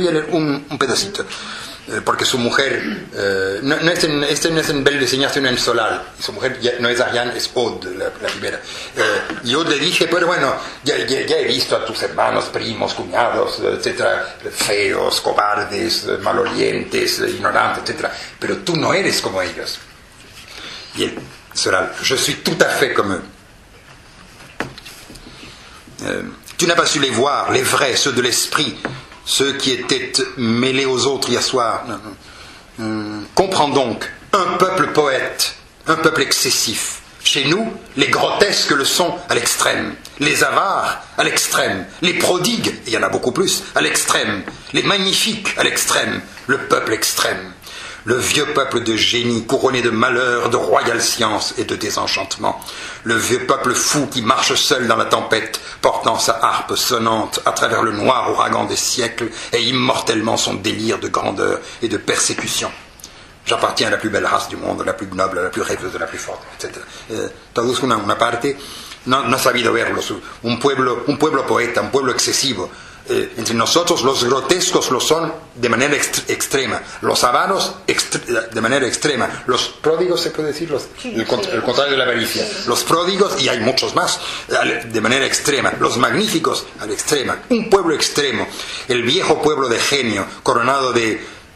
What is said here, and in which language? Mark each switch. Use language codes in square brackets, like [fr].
[es] Sí, voy a leer un pedacito. Porque su mujer, no es en Belle de Seigneur, sino en Solal. Su mujer ya, no es Ariane, es Aude, la primera. Y Aude le dije, pero bueno, ya he visto a tus hermanos, primos, cuñados, etcétera, feos, cobardes, malolientes, ignorantes, etcétera. Pero tú no eres como ellos. Y él, [fr] Solal, je suis tout à fait comme eux. Tu n'as pas su les voir, les vrais, ceux de l'esprit. Ceux qui étaient mêlés aux autres hier soir. Comprends donc, un peuple poète, un peuple excessif. Chez nous, les grotesques le sont à l'extrême. Les avares, à l'extrême. Les prodigues, il y en a beaucoup plus, à l'extrême. Les magnifiques, à l'extrême. Le peuple extrême. Le vieux peuple de génie couronné de malheur, de royale science et de désenchantement. Le vieux peuple fou qui marche seul dans la tempête, portant sa harpe sonnante à travers le noir ouragan des siècles et immortellement son délire de grandeur et de persécution. J'appartiens à la plus belle race du monde, la plus noble, la plus rêveuse, la plus forte, etc. [es] Traduzco una parte. No ha sabido verlo. Un pueblo poeta, un pueblo excesivo. Entre nosotros los grotescos lo son de manera extrema, los avaros de manera extrema, los pródigos, se puede decir, el contrario de la avaricia, los pródigos, y hay muchos más, de manera extrema, los magníficos al extrema, un pueblo extremo, el viejo pueblo de genio coronado de